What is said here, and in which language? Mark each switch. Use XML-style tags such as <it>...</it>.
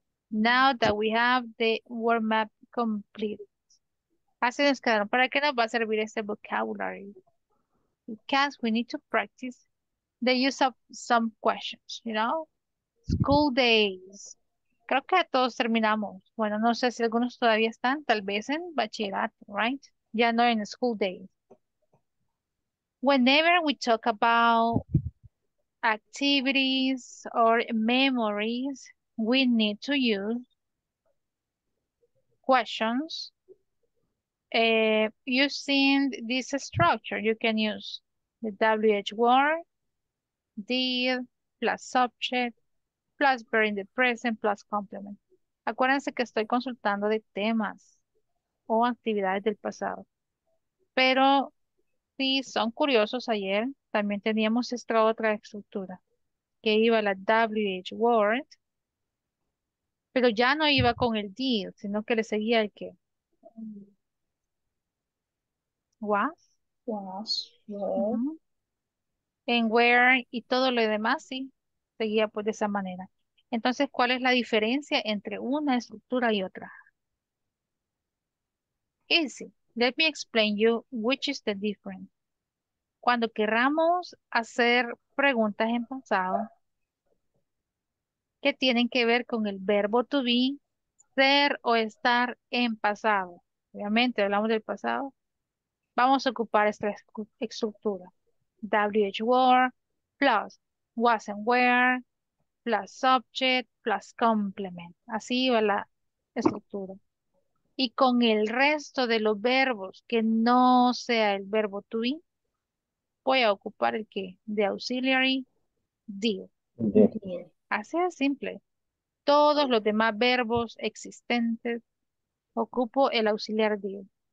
<en>Now that we have the word map complete.</en> <es>Así nos quedaron. ¿Para qué nos va a servir este vocabulary?</es> <en>Because we need to practice the use of some questions, you know? School days.</en> <es>Creo que a todos terminamos. Bueno, no sé si algunos todavía están, tal vez en bachillerato,</es> <en>right?</en> <es>Ya no en</es> <en>school days. Whenever we talk about activities or memories, we need to use questions using this structure. You can use the WH word, did, plus subject, plus verb in the present, plus complement.</en> <es>Acuérdense que estoy consultando de temas o actividades del pasado. Pero si son curiosos, ayer también teníamos esta otra estructura que iba a la WH word, pero ya no iba con el did, sino que le seguía el que.</es> <en>Was. Was.</en> <es>En where y todo lo demás, sí, seguía pues de esa manera. Entonces, ¿cuál es la diferencia entre una estructura y otra?</es> <en>Easy. Let me explain you which is the difference.</en> <es>Cuando queramos hacer preguntas en pasado que tienen que ver con el verbo to be, ser o estar en pasado. Obviamente, hablamos del pasado. Vamos a ocupar esta estructura.</es> <en>WH word plus was and where plus subject plus complement.</en> <es>Así va la estructura. Y con el resto de los verbos que no sea el verbo to be, voy a ocupar el que de auxiliary did. Así de simple. Todos los demás verbos existentes ocupo el auxiliar did.</es>